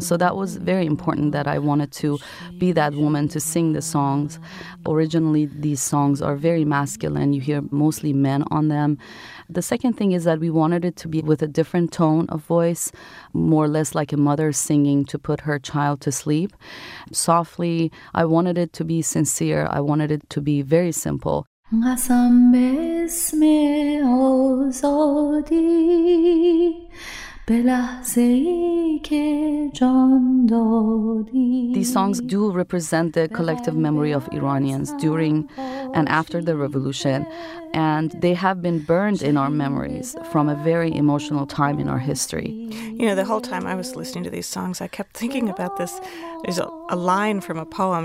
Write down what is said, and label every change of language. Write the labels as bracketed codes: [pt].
[en] So that was very important that I wanted to be that woman to sing the songs. Originally, these songs are very masculine. You hear mostly men on them. The second thing is that we wanted it to be with a different tone of voice, more or less like a mother singing to put her child to sleep. Softly, I wanted it to be sincere. I wanted it to be very simple. [fa] قسم به اسم آزادی به لحظه ای که جان دادی. [en] These songs do represent the collective memory of Iranians during and after the revolution, and they have been burned in our memories from a very emotional time in our history. You know, the whole time I was listening to these songs, I kept thinking about this. There's a line from a poem.